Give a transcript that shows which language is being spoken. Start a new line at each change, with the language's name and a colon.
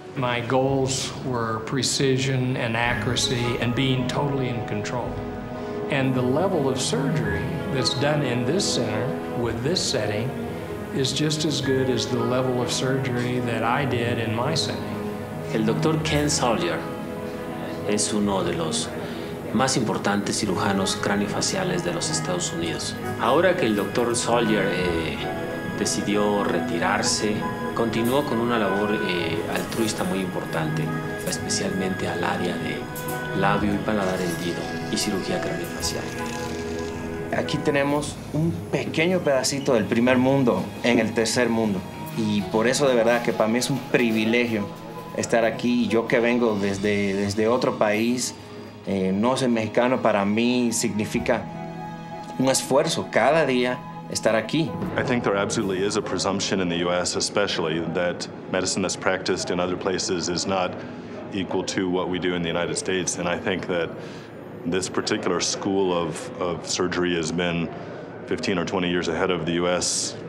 English: My goals were precision and accuracy and being totally in control. And the level of surgery that's done in this center with this setting is just as good as the level of surgery that I did in my setting.
Spanish: El doctor Ken Salyer es uno de los más importantes cirujanos craneofaciales de los Estados Unidos. Ahora que el doctor Salyer decidió retirarse, continuó con una labor altruista muy importante, especialmente al área de labio y paladar hendido y cirugía craneofacial. Aquí tenemos un pequeño pedacito del primer mundo en el tercer mundo. Y por eso de verdad que para mí es un privilegio estar aquí. Yo que vengo desde otro país, no soy mexicano, para mí significa un esfuerzo cada día estar aquí.
English: I think there absolutely is a presumption in the U.S. especially that medicine that's practiced in other places is not equal to what we do in the United States. And I think that this particular school of surgery has been 15 or 20 years ahead of the U.S.